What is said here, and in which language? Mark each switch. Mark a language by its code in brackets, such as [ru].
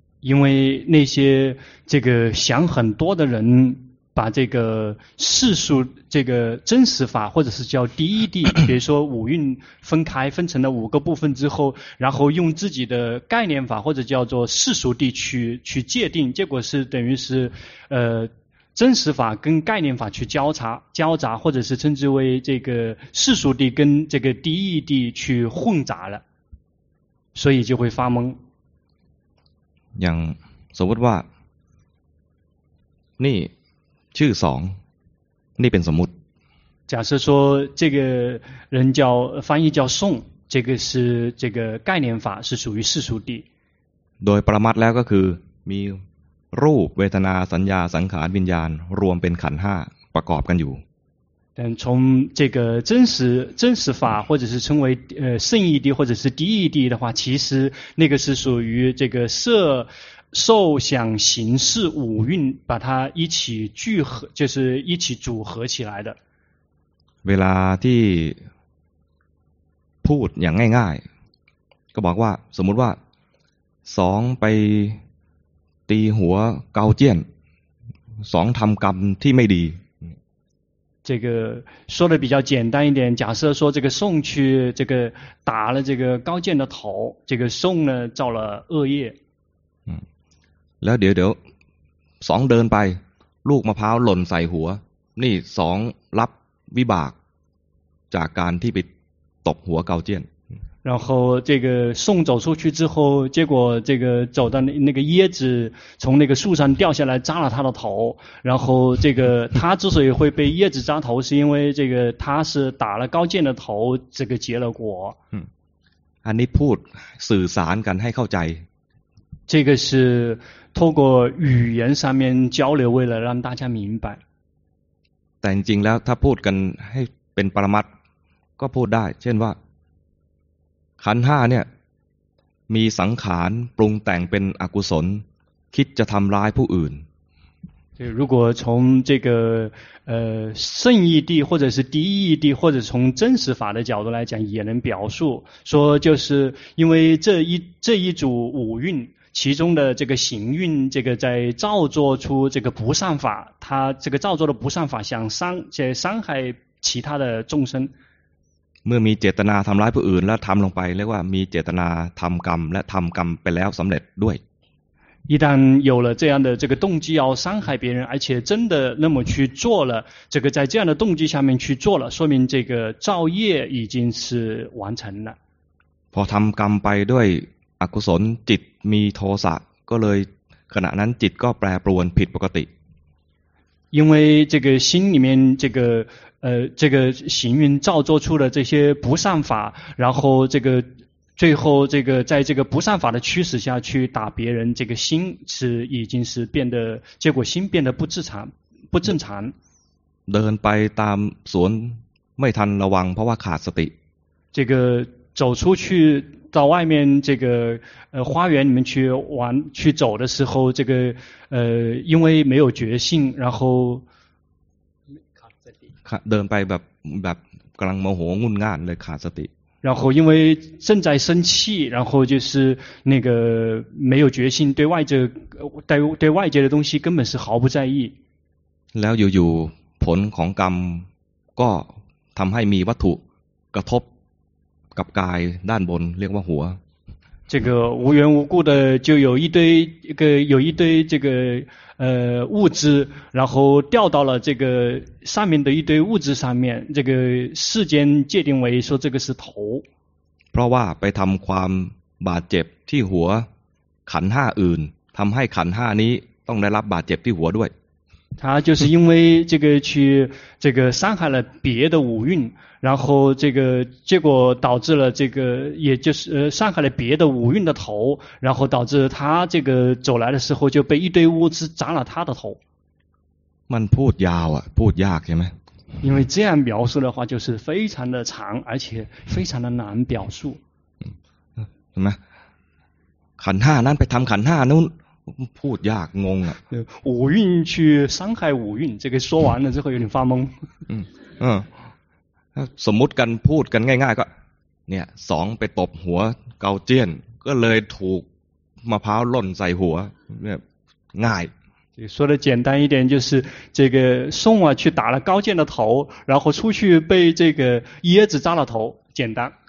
[zh] 因为那些这个想很多的人把这个世俗这个真实法或者是叫第一谛比如说五蕴分开分成了五个部分之后然后用自己的概念法或者叫做世俗谛去界定结果是等于是真实法跟概念法去交杂或者是称之为这个世俗谛跟这个第一谛去混杂了所以就会发懵 [th] อย่าง สมมติว่านี่ชื่อสองนี่เป็นสมมติ [zh] 假设说这个人叫翻译叫宋这个是这个概念法是属于世俗地 [th] โดยปรมัตถ์แล้วก็คือมีรูปเวทนาสัญญาสังขารวิญญาณรวมเป็นขันธ์ห้าประกอบกันอยู่ [zh] 但从这个真实法或者是称为圣义谛或者是第一谛的话其实那个是属于这个色受想行识五蕴把它一起聚合就是一起组合起来的 [th] เวลาที่พูดอย่างง่ายๆก็บอกว่าสมมุติว่าสองไปตีหัวเกาเจียนสองทำกรรมที่ไม่ดี [zh] 这个说的比较简单一点，假设说这个宋去这个打了这个高见的头，这个宋呢造了恶业。 [th] 嗯，แล้วเดี๋ยว2เดินไปลูกมะพร้าวหล่นใส่หัวนี่2รับวิบากจากการที่ไปตกหัวเกาเจียน。 [zh] 然后这个宋走出去之后，结果这个走到那个椰子从那个树上掉下来扎了他的头，然后这个他之所以会被椰子扎头，是因为这个他是打了高见的头，这个结了果。 [th] 嗯，อันนี้พูดสื่อสารกันให้เข้าใจ。 [zh] 这个是透过语言上面交流，为了让大家明白。 [th] แต่จริงแล้วถ้าพูดกันให้เป็นปรมัตถ์ก็พูดได้เช่นว่าขันห้าเนี่ยมีสังขารปรุงแต่งเป็นอกุศลคิดจะทำร้ายผู้อื่น [zh] 如果从这个圣义谛或者是第一义谛或者从真实法的角度来讲也能表述说就是因为这一组五蕴其中的这个行蕴这个在造作出这个不善法他这个造作的不善法想伤害其他的众生 [th] เมื่อมีเจตนาทำร้ายผู้อื่นแล้วทำลงไปเรียกว่ามีเจตนาทำกรรมและทำกรรมไปแล้วสำเร็จด้วย [zh] 一旦有了这样的这个动机要伤害别人而且真的那么去做了这个在这样的动机下面去做了说明这个造业已经是完成了 [th] พอทำกรรมไปด้วยอกุศลจิตมีโทสะก็เลยขณะนั้นจิตก็แปรปรวนผิดปกติ [zh] 因为这个心里面这个这个行运造作出了这些不善法然后这个最后这个在这个不善法的驱使下去打别人这个心是已经是变得结果心变得不正常 [th] เดินไปตามสวนไม่ทันระวังเพราะว่าขาดสติ [zh] 这个走出去到外面这个花园里面去玩去走的时候这个因为没有觉性然后 [th] เดินไปแบบกำลังโมโหงุนง่านเลยขาดสติ [zh] 然后因为正在生气然后就是那个没有决心对外界对外界的东西根本是毫不在意 [th] แล้วอยู่ๆผลของกรรมก็ทำให้มีวัตถุกระทบกับกายด้านบนเรียกว่าหัว [zh] 这个无缘无故的就有一堆一个有一堆这个物质然后掉到了这个上面的一堆物质上面这个世间界定为说这个是头 [th] เพราะว่าไปทำความบาดเจ็บที่หัวขันห้าอื่นทำให้ขันห้านี้ต้องได้รับบาดเจ็บที่หัวด้วย [zh] 他就是因为这个去这个伤害了别的五蕴然后这个结果导致了这个也就是伤害了别的五蕴的头然后导致他这个走来的时候就被一堆物资砸了他的头 [th] มันพูดยาวอ่ะพูดยากใช่ไหม [zh] 因为这样描述的话就是非常的长而且非常的难表述什么 [th] ขันห้านั้นไปทำขันห้านู้นพูดยากงงอ่ะ [zh] 五蕴去伤害五蕴这个说完了之后有点发懵 [th] สมมติกันพูดกันง่ายๆก็เนี่ยสองไปตบหัวเกาเจียนก็เลยถูกมะพร้าวหล่นใส่หัวเนี่ยง่าย [zh] 说的简单一点就是这个宋啊去打了高见的头然后出去被这个椰子扎了头简单